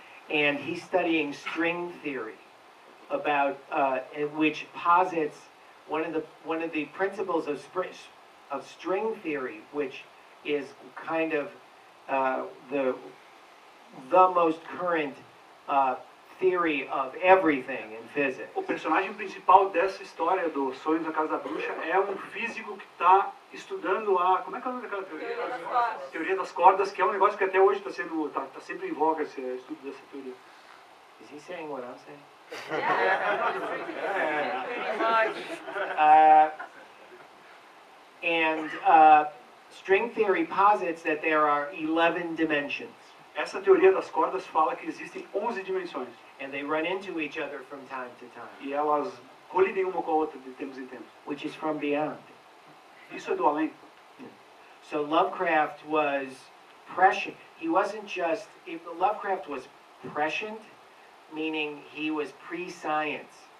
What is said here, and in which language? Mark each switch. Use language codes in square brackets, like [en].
[en] And he's studying string theory, about which posits one of the principles of string theory, which is kind of the most current theory of everything in physics. [pt] O personagem principal dessa história do Sonhos na Casa da Bruxa é um físico que está estudando a... Como é que é o nome daquela teoria? Teoria das cordas, que é um negócio que até hoje está sempre em voga esse estudo dessa teoria. [en] Is he saying what I'm saying? Yeah. Pretty much. String theory posits that there are 11 dimensions. [pt] Essa teoria das cordas fala que existem 11 dimensões. [en] And they run into each other from time to time. [pt] E elas colidem uma com a outra de tempos em tempos. [en] Which is from beyond. [pt] Isso é do além. [en] So Lovecraft was prescient. He wasn't just... Lovecraft was prescient, meaning he was pre-science.